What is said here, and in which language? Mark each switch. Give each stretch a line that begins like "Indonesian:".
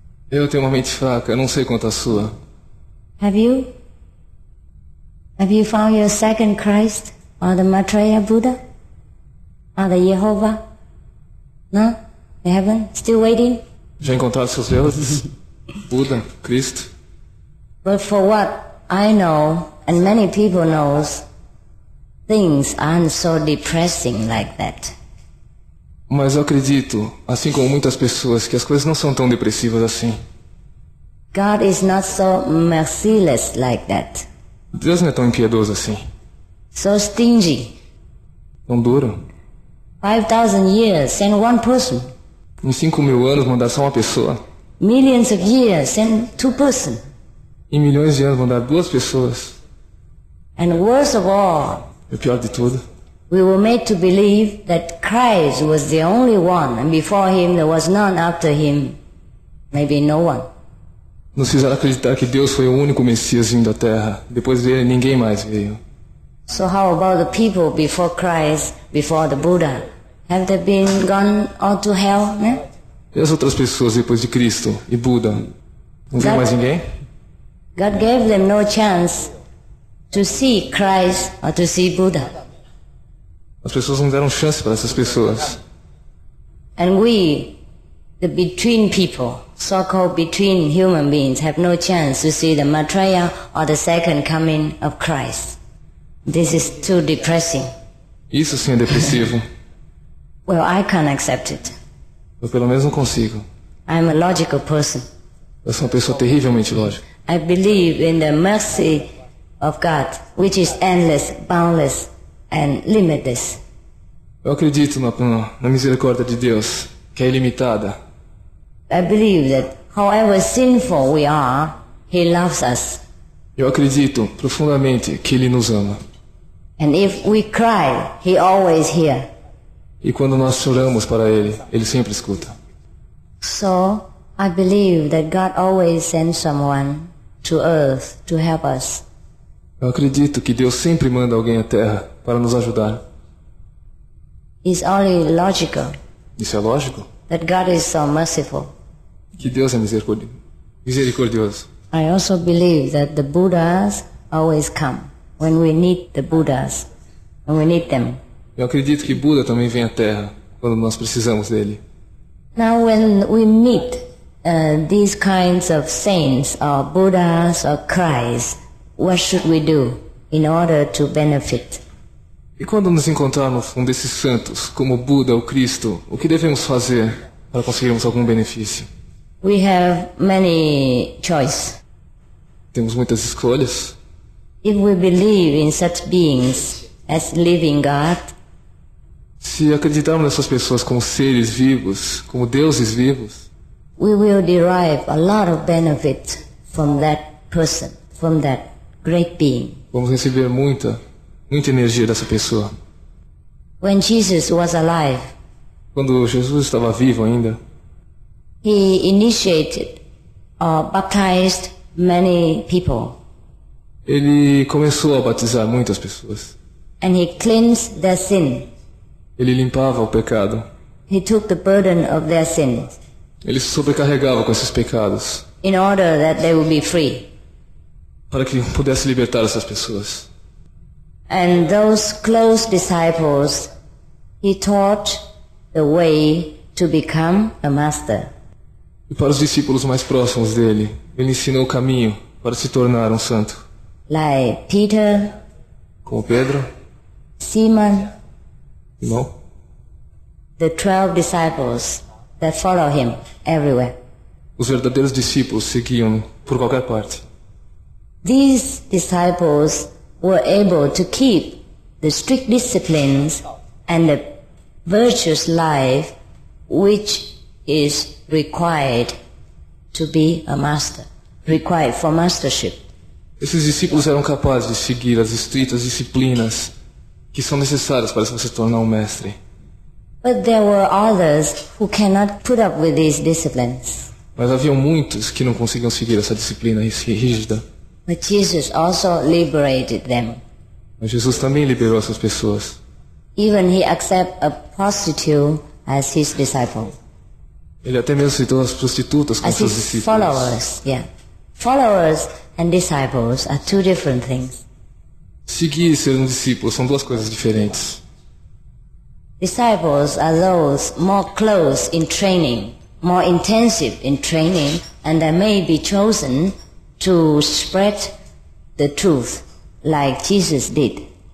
Portuguese: Eu tenho uma mente fraca, eu não sei quanto a sua.
English: Have you found your second Christ or the Maitreya Buddha or the Jehovah? No? You haven't? Still waiting?
Portuguese: Já encontrou seus deuses? Buda, Cristo?
English: But for what I know and many people knows, things aren't so depressing like that.
Portuguese: Mas eu acredito, assim como muitas pessoas, que as coisas não são tão depressivas assim.
English: God is not so merciless like that.
Portuguese: Deus não é tão impiedoso assim.
English: So stingy.
Portuguese: Tão duro.
English: 5,000 years send one person.
Portuguese: Em 5,000 anos mandar só uma pessoa.
English: Millions of years send two person.
Portuguese: Em milhões de anos mandar duas pessoas.
English: And worst of all.
Portuguese: E o pior de tudo.
English: We were made to believe that Christ was the only one, and before him there was none after him, maybe no one.
Portuguese: Nos fizeram acreditar que Deus foi o único Messias vindo à Terra. Depois dele, ninguém mais veio.
English: So how about the people before Christ, before the Buddha? Have they been gone all to hell,
Portuguese: né? E as outras pessoas depois de Cristo e Buda? Não veio mais ninguém?
English: God gave them no chance to see Christ or to see Buddha.
Portuguese: As pessoas não deram chance para essas pessoas.
English: And we, the between people, so-called between human beings, have no chance to see the Maitreya or the second coming of Christ. This is too depressing.
Portuguese: Isso sim é depressivo.
English: Well, I can't accept it.
Portuguese: Eu pelo menos não consigo.
English: I'm a logical person.
Portuguese: Eu sou uma pessoa terrivelmente lógica.
English: I believe in the mercy of God, which is endless, boundless, and limitless.
Portuguese: Eu acredito na misericórdia de Deus, que é ilimitada.
English: I believe that however sinful we are, He loves us.
Portuguese: Eu acredito profundamente que Ele nos ama.
English: And if we cry, He always hears.
Portuguese: E quando nós choramos para Ele, Ele sempre escuta.
English: So, I believe that God always sends someone to earth to help us.
Portuguese: Eu acredito que Deus sempre manda alguém à Terra para nos ajudar.
English: It's only logical.
Portuguese: Isso é lógico?
English: That God is so merciful.
Portuguese: Que Deus é misericordioso.
English: I also believe that the Buddhas always come when we need the Buddhas, when we need them.
Portuguese: Eu acredito que Buda também vem à Terra quando nós precisamos dele.
English: Now when we meet these kinds of saints or Buddhas or Christ, what should we do in order to benefit?
Portuguese: E quando nos encontrarmos um desses santos, como Buda ou Cristo, o que devemos fazer para conseguirmos algum benefício?
English: We have many choices.
Portuguese: Temos muitas escolhas.
English: If we believe in such beings as living God,
Portuguese: se acreditarmos nessas pessoas como seres vivos, como deuses vivos,
English: we will derive a lot of benefit from that person, from that great being.
Portuguese: Vamos receber muita energia dessa pessoa.
English: When Jesus was alive,
Portuguese: quando Jesus estava vivo ainda,
English: He initiated or baptized many people.
Portuguese: Ele começou a batizar muitas pessoas.
English: And He cleansed their sin.
Portuguese: Ele limpava o pecado.
English: He took the burden of their sins.
Portuguese: Ele se sobrecarregava com esses pecados.
English: In order that they would be free.
Portuguese: Para que pudesse libertar essas pessoas.
English: And those close disciples, He taught the way to become a master.
Portuguese: E para os discípulos mais próximos dele, Ele ensinou o caminho para se tornar um santo.
English: Like Peter,
Portuguese: como Pedro,
English: Simon,
Portuguese: Simão,
English: the 12 disciples that follow Him everywhere.
Portuguese: Os verdadeiros discípulos seguiam por qualquer parte.
English: These disciples were able to keep the strict disciplines and the virtuous life which is required to be a master, required for mastership.
Portuguese: Esses discípulos eram capazes de seguir as estritas disciplinas que são necessárias para se tornar um mestre.
English: But there were others who cannot put up with these disciplines.
Portuguese: Mas havia muitos que não conseguiam seguir essa disciplina rígida.
English: But Jesus also liberated them.
Portuguese: Mas Jesus também liberou essas pessoas.
English: Even He accepted a prostitute as His disciple.
Portuguese: Ele até mesmo citou as prostitutas como as seus discípulos.
English: Followers, yeah. Followers and disciples are two different things.
Portuguese: Seguir e ser um discípulo são duas coisas diferentes.
English: Disciples are those more close in training, more intensive in training, and they may be chosen to spread the truth, like Jesus did.